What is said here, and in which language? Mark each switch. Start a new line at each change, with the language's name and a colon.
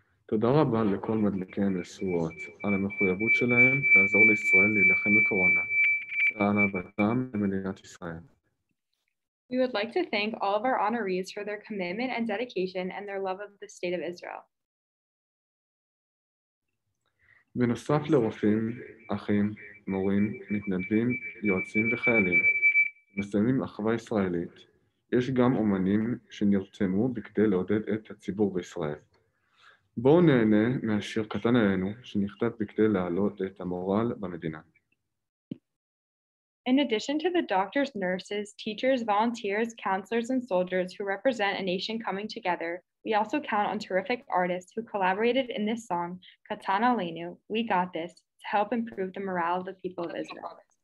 Hebrew: תודה רבה לכל מדליקי הנשואות על המחויבות שלהם לעזור לישראל להילחם בקורונה. תודה לבתם למדינת ישראל.
English: We would like to thank all of our honorees for their commitment and dedication and their love of the state of Israel.
Hebrew: בנוסף לרופאים, אחים, מורים, מתנדבים, יועצים וחיילים, מסיימים אחווה ישראלית, יש גם אומנים שנרתמו בכדי לעודד את הציבור בישראל. בואו נהנה מהשיר קטן עלינו שנכתב בכדי להעלות את המורל במדינה.
English: In addition to the doctors, nurses, teachers, volunteers, counselors, and soldiers who represent a nation coming together, we also count on terrific artists who collaborated in this song, Katan Aleinu, We Got This, to help improve the morale of the people of Israel.